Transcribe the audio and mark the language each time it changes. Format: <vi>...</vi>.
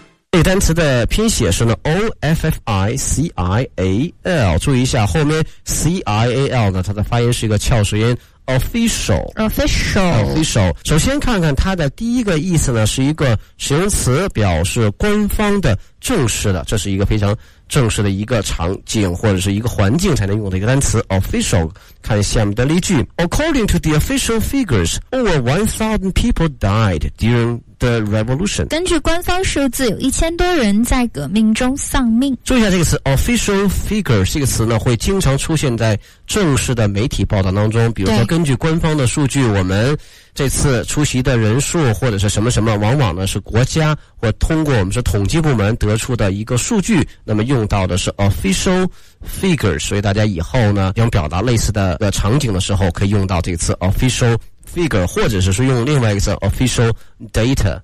<zh>这单词的拼写是呢 official， 注意一下后面 cial 呢，它的发音是一个翘舌音 official。首先看看它的第一个意思呢，是一个形容词，表示官方的、正式的，这是一个非常正式的一个场景或者是一个环境才能用的一个单词 official。看下面的例句 ：</zh> <en>According to the official figures, over 1,000 people died during the revolution.</en> <zh>根据官方数字，有1000多人在革命中丧命。注意一下这个词 official figure， 这个词呢会经常出现在正式的媒体报道当中，比如说根据官方的数据，我们这次出席的人数或者是什么什么，往往呢是国家或通过我们是统计部门得出的一个数据，那么用到的是 official figure， 所以大家以后呢想表达类似的场景的时候，可以用到这个词 official figure， 或者是说用另外一个词 official data。</zh>